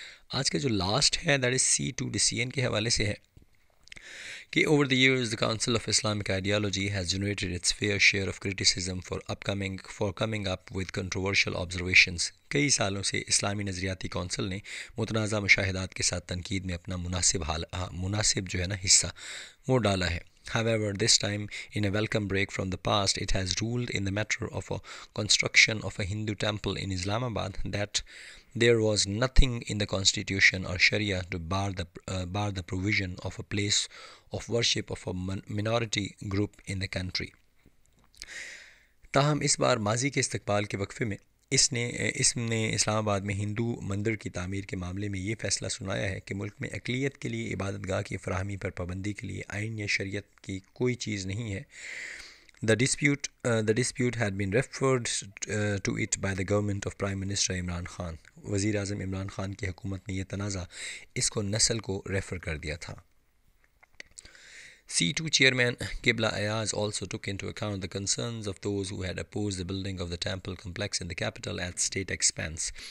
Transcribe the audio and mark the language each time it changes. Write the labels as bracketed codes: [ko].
[ur] آج کا جو لاسٹ ہے [en] that is C two decision [ur] کے حوالے سے ہے کہ [en] Over the years the council of Islamic ideology has generated its fair share of criticism for coming up with controversial observations. [ur] کئی سالوں سے اسلامی نظریاتی کونسل نے متنازع مشاہدات کے ساتھ تنقید میں اپنا مناسب حصہ وہ ڈالا ہے. [en] However, this time, in a welcome break from the past, it has ruled in the matter of a construction of a Hindu temple in Islamabad that there was nothing in the constitution or Sharia to bar the provision of a place of worship of a minority group in the country. [ur] تاہم اس بار ماضی کے استقبال کے وقفے میں اس نے اسلام آباد میں ہندو مندر کی تعمیر کے معاملے میں یہ فیصلہ سنایا ہے کہ ملک میں اقلیت کے لیے عبادت گاہ کی فراہمی پر پابندی کے لیے آئین یا شریعت کی کوئی چیز نہیں ہے. [en] The dispute had been referred to it by the government of Prime Minister Imran Khan. [ur] وزیر اعظم عمران خان کی حکومت نے یہ تنازع اس کو نسل کو ریفر کر دیا تھا. [en] C2 chairman Qibla Ayaz also took into account the concerns of those who had opposed the building of the temple complex in the capital at state expense.